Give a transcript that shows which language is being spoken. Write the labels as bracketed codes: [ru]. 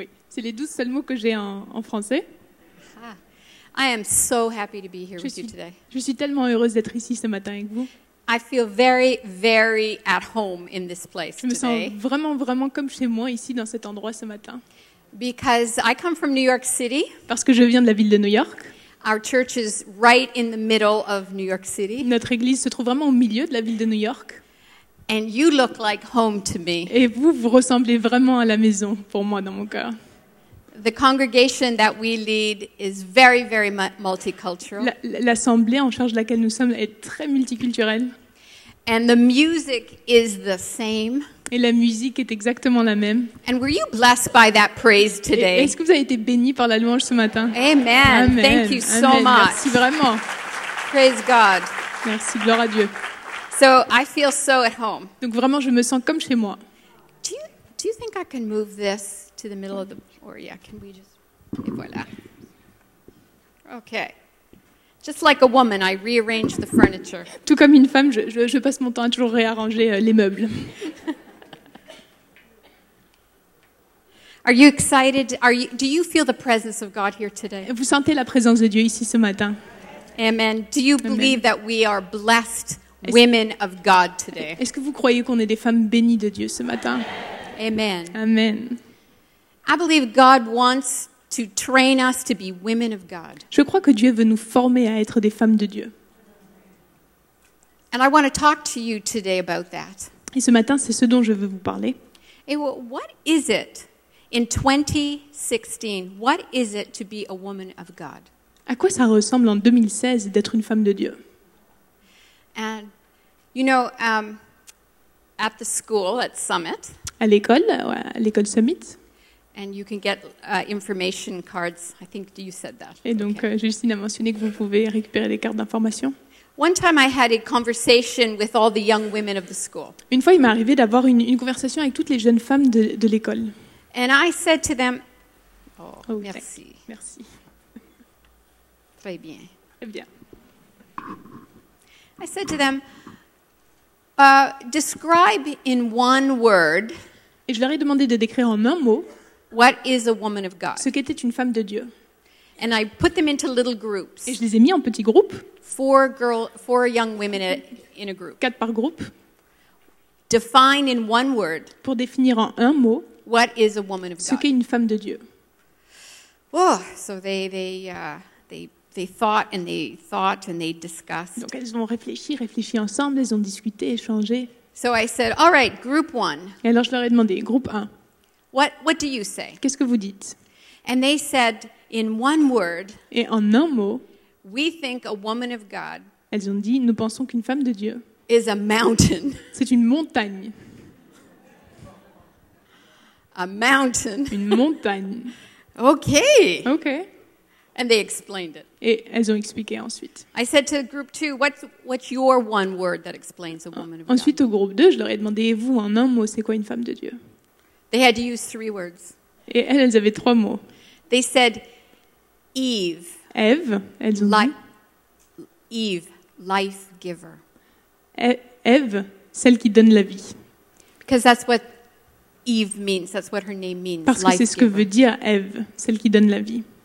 [fr] C'est les 12 seuls mots que j'ai en français. Ah. [en] I am so happy to be here with you today. [fr] Je suis tellement heureuse d'être ici ce matin avec vous. [en] I feel very, very at home in this place today. [fr] Je me sens vraiment, vraiment comme chez moi ici dans cet endroit ce matin. [en] Because I come from New York City. [fr] Parce que je viens de la ville de New York. [en] Our church is right in the middle of New York City. [fr] Notre église se trouve vraiment au milieu de la ville de New York. [en] And you look like home to me. [fr] Et vous ressemblez vraiment à la maison pour moi dans mon cœur. [en] The congregation that we lead is very, very multicultural. [fr] L'assemblée en charge de laquelle nous sommes est très multiculturelle. [en] And the music is the same. [fr] Et la musique est exactement la même. [en] And were you blessed by that praise today? [fr] Est-ce que vous avez été béni par la louange ce matin? Amen. Amen. [en] Thank you so Amen. Much. [fr] Merci vraiment. [en] Praise God. [fr] Merci, gloire à Dieu. [en] So I feel so at home. [fr] Donc vraiment, je me sens comme chez moi. [en] Do you think I can move this to the middle of the? Or yeah, can we just? [fr] Et voilà. [en] Okay. Just like a woman, I rearrange the furniture. [fr] Tout comme une femme, je passe mon temps à toujours réarranger les meubles. [en] Are you excited? Do you feel the presence of God here today? [fr] Vous sentez la présence de Dieu ici ce matin? Amen. [en] Do you believe Amen. That we are blessed women of God today? [fr] Est-ce que vous croyez qu'on est des femmes bénies de Dieu ce matin? Amen. Amen. [en] I believe God wants to train us to be women of God. [fr] Je crois que Dieu veut nous former à être des femmes de Dieu. [en] And I want to talk to you today about that. [fr] Et ce matin, c'est ce dont je veux vous parler. [en] Et what is it in 2016? What is it to be a woman of God? [fr] À quoi ça ressemble en 2016 d'être une femme de Dieu? [en] And you know, at the school at Summit. [fr] À l'école Summit. [en] And you can get information cards. I think you said that. [fr] Et donc, okay. Justine a mentionné que vous pouvez récupérer des cartes d'information. [en] One time I had a conversation with all the young women of the school. [fr] Une fois, il m'est arrivé d'avoir une conversation avec toutes les jeunes femmes de l'école. [en] And I said to them, Merci. [fr] Très bien. [en] I said to them, describe in one word. [fr] Et je leur ai demandé de décrire en un mot. [en] What is a woman of God? [fr] Ce qu'était une femme de Dieu. [en] And I put them into little groups. [fr] Et je les ai mis en petits groupes. [en] Four young women in a group. [fr] Quatre par groupe. [en] Define in one word. [fr] Pour définir en un mot. [en] What is a woman of God? [fr] Ce qu'est une femme de Dieu. [en] Oh, so they thought and they thought and they discussed. [fr] Donc elles ont réfléchi ensemble, elles ont discuté, échangé. [en] So I said, all right, group one. [fr] Et alors je leur ai demandé, groupe un. [en] What do you say? [fr] Qu'est-ce que vous dites? [en] And they said in one word. [fr] Et en un mot. [en] We think a woman of God. [fr] Elles ont dit, nous pensons qu'une femme de Dieu. [en] Is a mountain. [fr] C'est une montagne. [en] A mountain. [fr] Une montagne. [en] Okay. And they explained it. [fr] Et elles ont expliqué ensuite. [en] I said to group two, what's your one word that explains a woman of God? [fr] Ensuite au groupe 2, je leur ai demandé, vous en un mot, c'est quoi une femme de Dieu? [en] They had to use three words. [fr] Et elles avaient trois mots. [en] They said Eve. [fr] Eve, elles ont dit. [en] Eve, life giver. [fr] Eve, celle qui donne la vie. [en] Because that's what Eve means. That's what her name means. [fr] Parce que c'est ce que veut dire Eve, celle qui donne la vie.